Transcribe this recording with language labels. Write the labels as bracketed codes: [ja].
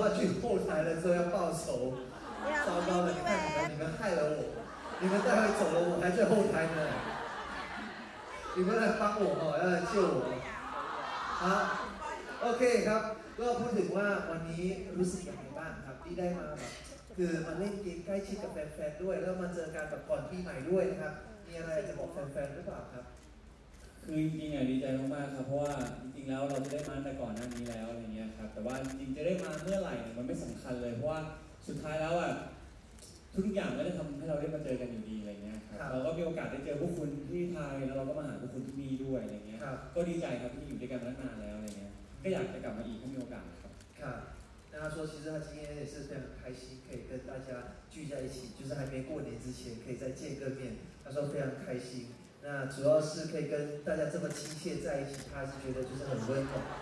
[zh] 他去后台的时候要报仇。糟糕了，你们害了我，你们带回走了，我还在后台呢。你们来帮我哈，要来救我。 [th] 好 ，OK ครับก็พูดถึงว่าวันนี้รู้สึกยังไงบ้างครับที่ได้มาแบบคือมาเล่นเกมใกล้ชิดกับแฟนๆด้วยแล้วมาเจอกันกับก่อนปีใหม่ด้วยนะครับมีอะไรจะบอกแฟนๆหรือเปล่าครับ คือจริงๆอ่ะดีใจมากๆครับเพราะว่าจริงๆแล้วเราจะได้มาแต่ก่อนหน้านี้แล้วอะไรเงี้ยครับแต่ว่าจริงจะได้มาเมื่อไหร่เนี่ยมันไม่สำคัญเลยเพราะว่าสุดท้ายแล้วอ่ะทุกอย่างก็ได้ทำให้เราได้มาเจอกันอยู่ดีอะไรเงี้ยครับเราก็มีโอกาสได้เจอพวกคุณที่ไทยแล้วเราก็มาหาพวกคุณที่นี่ด้วยอะไรเงี้ยก็ดีใจครับที่อยู่ด้วยกันมานานแล้วอะไรเงี้ยก็อยากจะกลับมาอีกถ้ามีโอกาสครับ ครับนะครับ [zh] 说其实他今天也是非常开心可以跟大家聚在一起就是还没过年之前可以再见个面他说非常开心那主要是可以跟大家这么亲切在一起他是觉得就是很温暖